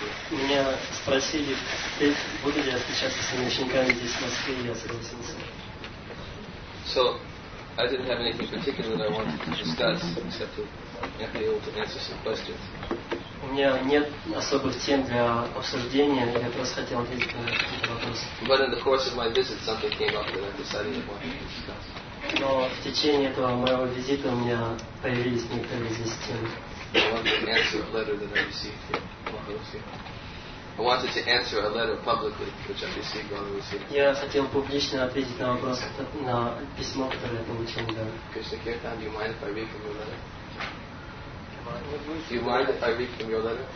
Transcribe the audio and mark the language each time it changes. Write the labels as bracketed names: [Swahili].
[Russian] Меня спросили, буду ли я встречаться с моими учениками здесь в Москве, и я согласился. [English] So, I didn't have anything particular that I wanted to discuss, except to be able to answer some questions. [Russian] У меня нет особых тем для обсуждения, я просто хотел ответить на какие-то вопросы. [English] But in the course of my visit, something came up that I decided I wanted to discuss. [Russian] Но в течение этого моего визита у меня появились некоторые здесь темы. [English] I wanted to answer a letter publicly, which I received while I was here. [Russian] Я хотел публично ответить на вопрос, на письмо, которое я получил. Да. [English] Krishna Kirtan, do you mind if I read from your letter?